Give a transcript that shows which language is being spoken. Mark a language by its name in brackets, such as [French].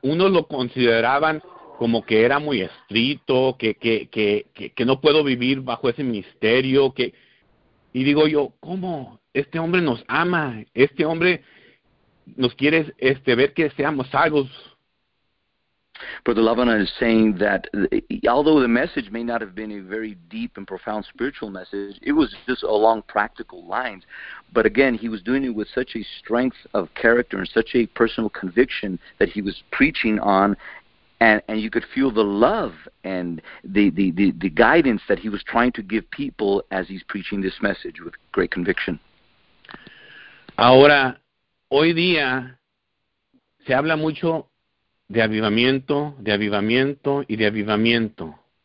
[Spanish] Unos lo consideraban como que era muy estricto, que no puedo vivir bajo ese ministerio. Y digo yo, ¿cómo? Este hombre nos ama, este hombre nos quiere ver que seamos salvos. [English] Brother Lavana is saying that although the message may not have been a very deep and profound spiritual message, it was just along practical lines. But again, he was doing it with such a strength of character and such a personal conviction that he was preaching on, and you could feel the love and the guidance that he was trying to give people as he's preaching this message with great conviction. [Spanish] Ahora, hoy día se habla mucho de avivamiento, de avivamiento y de avivamiento.